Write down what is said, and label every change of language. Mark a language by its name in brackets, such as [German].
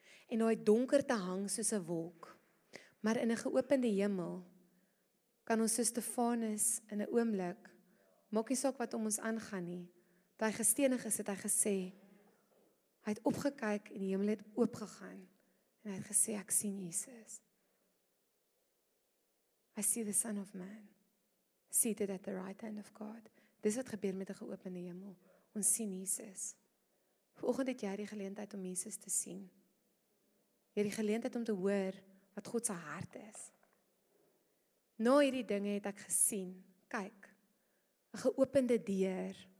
[Afrikaans] En daai donkerte hang soos 'n wolk. Maar in 'n geopende hemel kan ons soos Stefanus in 'n oomblik, maak nie saak wat om ons aangaan nie, dat hy gestenig is, het hy gesê, hy het opgekyk en die hemel het oopgegaan, en hy het gesê, ek sien Jesus. [English] I see the Son of Man, seated at the right hand of God. [Afrikaans] Dis wat gebeur met 'n geopende hemel. Ons sien Jesus. Vanoggend het jy die geleentheid om Jesus te sien. Jy het die geleentheid om te hoor wat God se hart is. Na hierdie dinge het ek gesien, kyk, 'n geopende deur.